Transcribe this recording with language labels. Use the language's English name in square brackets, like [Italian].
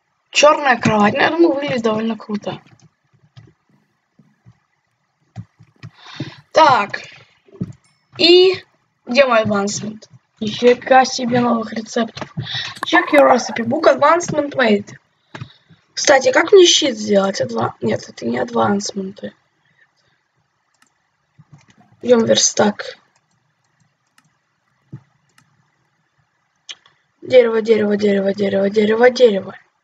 [Russian] Черная кровать. Ну, я думаю, выглядит довольно круто. Так. И... Где мой advancement? Нифига себе новых рецептов. [English] Check your recipe book advancement made. [Russian] Кстати, как мне щит сделать? Нет, это не advancement. Идем верстак. Дерево, дерево, дерево, дерево, дерево, дерево.